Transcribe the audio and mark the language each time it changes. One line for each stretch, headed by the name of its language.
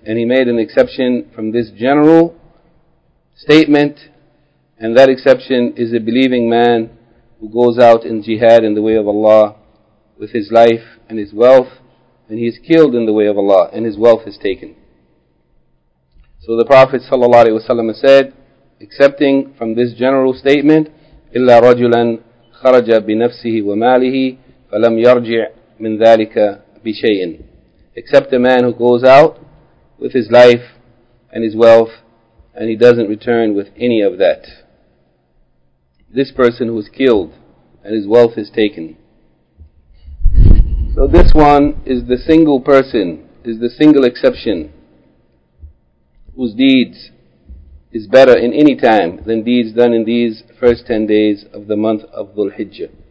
English: And he made an exception from this general statement, and that exception is a believing man who goes out in jihad in the way of Allah with his life and his wealth, and he is killed in the way of Allah, and his wealth is taken. So the Prophet ﷺ said, accepting from this general statement,
Arabic: إِلَّا رَجُلًا خَرَجَ بِنَفْسِهِ وَمَالِهِ فَلَمْ يَرْجِعْ مِنْ ذَلِكَ بِشَيْءٍ.
English: Except a man who goes out with his life and his wealth, and he doesn't return with any of that. This person who is killed, and his wealth is taken. So this one is the single person, is the single exception whose deeds is better in any time than deeds done in these first 10 days of the month of Dhul-Hijjah.